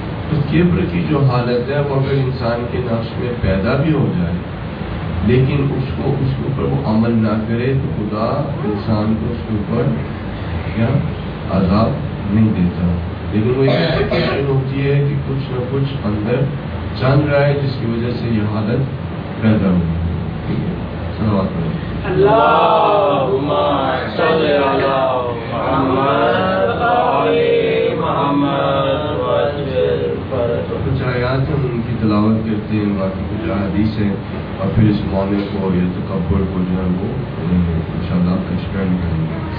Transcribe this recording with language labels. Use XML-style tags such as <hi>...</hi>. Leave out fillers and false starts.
<ur>تو کبر کی جو حالت ہے وہ اگر انسان کے نفس میں پیدا بھی ہو جائے لیکن اس کے اوپر وہ عمل نہ کرے تو خدا انسان کو اس کے اوپر کیا عذاب نہیں دیتا. لیکن وہ ایکسپیکٹیشن ہوتی ہے کہ کچھ نہ کچھ اندر چل رہا ہے جس کی وجہ سے یہ حالت پیدا ہو. ٹھیک ہے،</ur> <ar>اللهم صل على محمد وعلى محمد وسلم.</ar> <ur>کچھ آیات ہم ان کی تلاوت کرتے ہیں، باقی کچھ احادیث ہیں، اور پھر اس معاملے کو اور یہ تکبر کو جو ہے وہ ان شاء اللہ ایکسپینڈ کریں گے.</ur>